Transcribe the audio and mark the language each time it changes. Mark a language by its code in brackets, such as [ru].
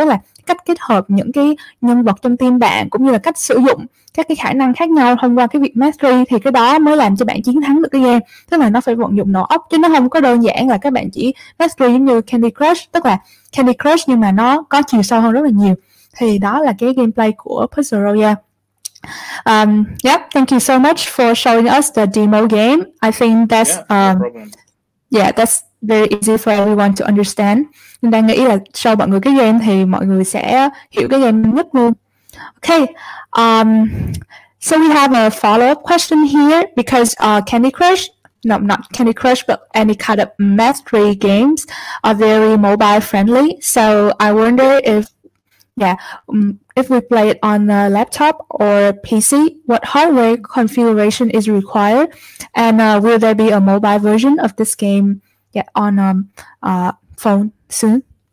[vi] Tức là cách kết hợp những cái nhân vật trong team bạn, cũng như là cách sử dụng các cái khả năng khác nhau thông qua cái việc mastery, thì cái đó mới làm cho bạn chiến thắng được cái game. Tức là nó phải vận dụng não óc, chứ nó không có đơn giản là các bạn chỉ mastery giống như Candy Crush. Tức là Candy Crush nhưng mà nó có chiều sâu hơn rất là nhiều. Thì đó là cái gameplay của Puzzle Royale. [en] Yep, thank you so much for showing us the demo game. I think that's that's very easy for everyone to understand. [vi] Mình đang nghĩ là show mọi người cái game thì mọi người sẽ hiểu cái game nhất luôn. [en] Okay, so we have a follow-up question here, because Candy Crush, no, not Candy Crush, but any kind of mastery games are very mobile friendly. So I wonder if we play it on a laptop or PC, what hardware configuration is required, and will there be a mobile version of this game on phone soon?